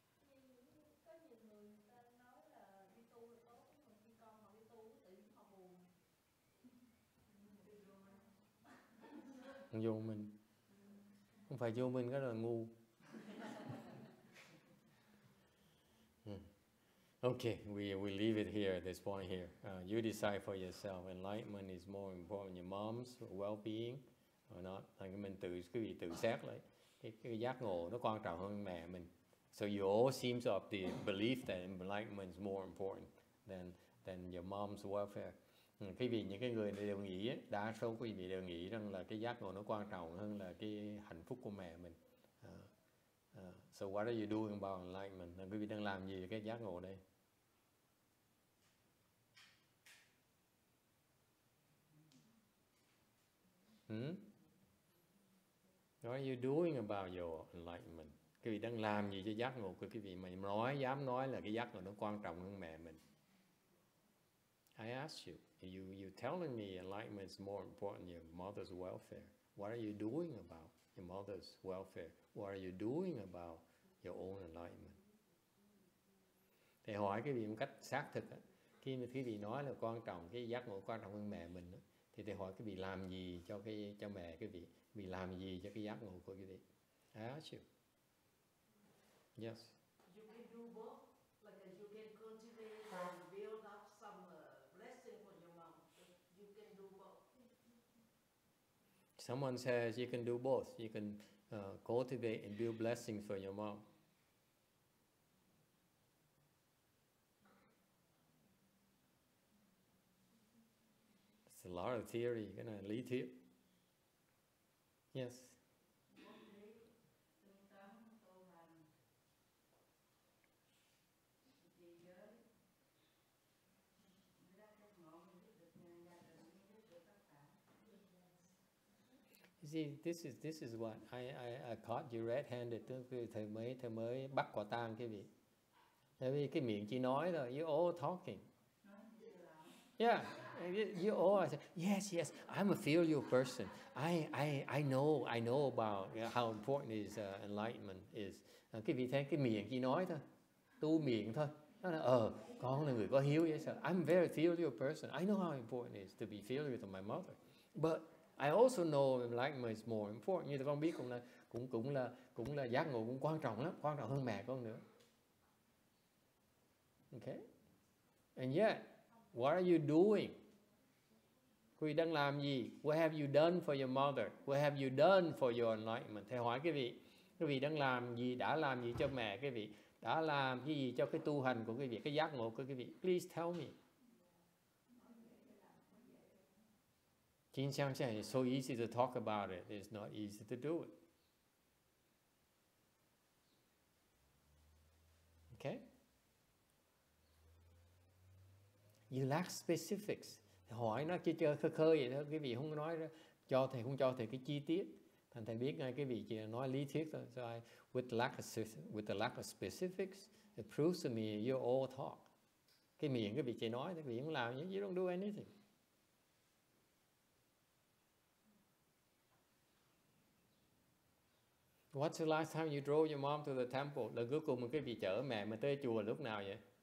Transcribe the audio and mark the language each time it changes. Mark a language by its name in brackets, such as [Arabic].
[Vietnamese] Có nhiều người ta nói là đi tu là tốt, nhưng khi con họ đi tu tự nhiên họ buồn. Vô mình. Không phải vô mình cái là ngu. [English] Okay, we leave it here, this point here. You decide for yourself. Enlightenment is more important than your mom's well-being or not. [Vietnamese] Like mình tự, quý vị tự xét lại. Cái giác ngộ nó quan trọng hơn mẹ mình. [English] So you all seem to have the belief that enlightenment is more important than your mom's welfare. [Vietnamese] Quý vị, những cái người đều nghĩ, đa số quý vị đều nghĩ rằng là cái giác ngộ nó quan trọng hơn là cái hạnh phúc của mẹ mình. [English] So what are you doing about enlightenment? [Vietnamese] Quý vị đang làm gì về cái giác ngộ đây? [English] What are you doing about your enlightenment? [Vietnamese] Quý vị đang làm gì cho giác ngộ của quý vị? Mà nói, dám nói là cái giác ngộ nó quan trọng hơn mẹ mình. [English] I ask you, you telling me enlightenment is more important than your mother's welfare. What are you doing about your mother's welfare? What are you doing about your own enlightenment? [Vietnamese] Thầy hỏi quý vị một cách xác thực. Khi mà quý vị nói là quan trọng, cái giác ngộ quan trọng hơn mẹ mình, thì thầy hỏi quý vị làm gì cho mẹ quý vị? Vì làm gì cho cái giác ngộ của quý vị? [English] I ask you. Yes. You can do both. Like you can cultivate and build up some blessing for your mom. You can do both. Someone says you can do both. You can cultivate and build blessings for your mom. It's a lot of theory. You're going to lead to it. Yes. See, this is what I caught you red-handed. [Vietnamese] Thầy mới bắt quả tang cái vị. Tại vì cái miệng chỉ nói thôi. [English] You all talking. Yeah, you all. I said, yes, yes. I'm a filial person. I know about how important is enlightenment is. [Vietnamese] Cái vị thấy cái miệng chỉ nói thôi. Tu miệng thôi. Nó là con là người có hiếu. [English] Yes, sir. I'm a very filial person. I know how important it is to be filial to my mother, but I also know enlightenment is more important. [Vietnamese] Như thầy con biết cũng là giác ngộ cũng quan trọng lắm, quan trọng hơn mẹ con nữa. [English] Okay. And yet, what are you doing? [Vietnamese] Quý vị đang làm gì? [English] What have you done for your mother? What have you done for your enlightenment? [Vietnamese] Thầy hỏi quý vị đang làm gì? Đã làm gì cho mẹ quý vị? Đã làm cái gì cho cái tu hành của quý vị? Cái giác ngộ của quý vị? [English] Please tell me. It's so easy to talk about it. It's not easy to do it. Okay? You lack specifics. [Vietnamese] Hỏi nó chơi chơi khơi khơi vậy đó. Quý vị không nói đó. Cho thầy không cho thầy cái chi tiết. Thành thầy biết ngay quý vị chỉ nói lý thuyết thôi. [English] So with the lack of specifics, it proves to me you all talk. [Vietnamese] Cái miệng quý vị chỉ nói, quý vị không làm, [English] you don't do anything. What's the last time you drove your mom to the temple? [Vietnamese] Lần cuối cùng mà quý vị chở mẹ mà tới chùa lúc nào vậy?